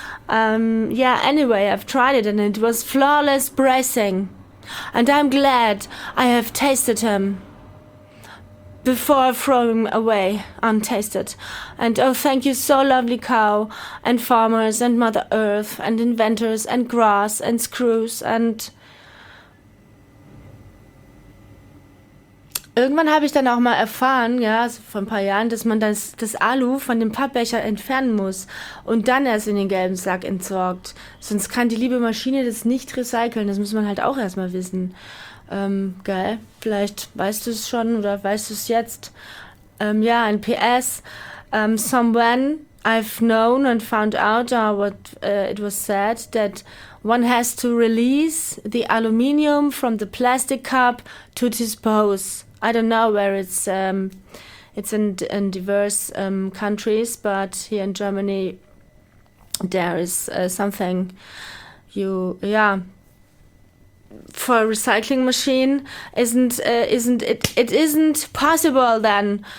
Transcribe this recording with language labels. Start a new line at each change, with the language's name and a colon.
English: Yeah, anyway, I've tried it and it was flawless bracing. And I'm glad I have tasted him. before I throw them away untasted. And oh, thank you so lovely cow and farmers and Mother Earth and inventors and grass and screws and...
German: Irgendwann habe ich dann auch mal erfahren, ja, vor ein paar Jahren, dass man das Alu von dem Pappbecher entfernen muss und dann erst in den gelben Sack entsorgt. Sonst kann die liebe Maschine das nicht recyceln. Das muss man halt auch erstmal wissen. Geil. Vielleicht weißt du es schon oder weißt du es jetzt. Ja, ein PS.
English: Someone I've known and found out it was said that one has to release the aluminium from the plastic cup to dispose. I don't know where it's in diverse countries, but here in Germany there is something for a recycling machine isn't possible then.